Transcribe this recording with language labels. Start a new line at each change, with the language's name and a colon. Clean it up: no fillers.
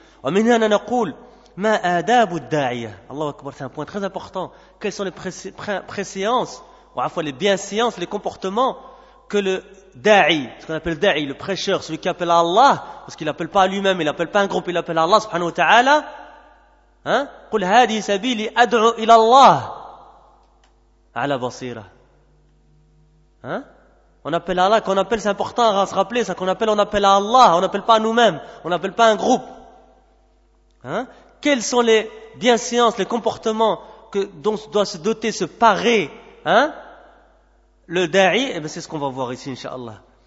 Arabic: Wa min hana naqul ma adabu ad-da'iyah.
French: Allahu akbar, c'est un point très important. Quelles sont les préséances, ou à la fois les bienséances, les comportements que le da'i, ce qu'on appelle da'i, le prêcheur, celui qui appelle à Allah, parce qu'il appelle pas à lui-même, il appelle pas un groupe, il appelle à Allah subhanahu wa ta'ala. Hein?
Arabic: قل هذه سبيلي ادعو الى الله على بصيره.
French: Hein? On appelle à Allah, qu'on appelle, c'est important à se rappeler ça, qu'on appelle, on appelle à Allah, on appelle pas à nous-mêmes, on appelle pas un groupe. Hein? Quelles sont les bienséances, les comportements que dont doit se doter, se parer, hein? Le da'i, et bien c'est ce qu'on va voir ici, inshallah.